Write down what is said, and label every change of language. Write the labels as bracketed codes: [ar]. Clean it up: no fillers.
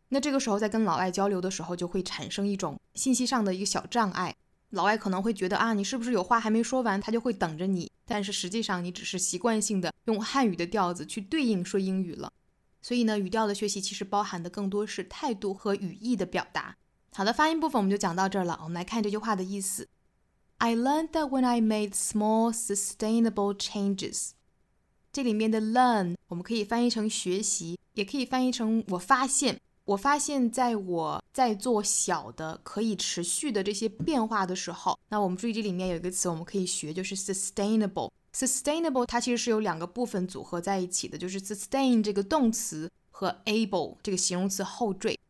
[zh] 那这个时候在跟老外交流的时候就会产生一种信息上的一个小障碍，老外可能会觉得啊，你是不是有话还没说完，他就会等着你，但是实际上你只是习惯性的用汉语的调子去对应说英语了。所以呢，语调的学习其实包含的更多是态度和语义的表达。好的，发音部分我们就讲到这儿了，我们来看这句话的意思。 [en] I learned that when I made small sustainable changes. [zh] 这里面的 learn 我们可以翻译成学习，也可以翻译成我发现。我发现在我在做小的可以持续的这些变化的时候，那我们注意这里面有一个词我们可以学，就是 sustainable。 Sustainable 它其实是有两个部分组合在一起的，就是 sustain 这个动词和 able 这个形容词后缀。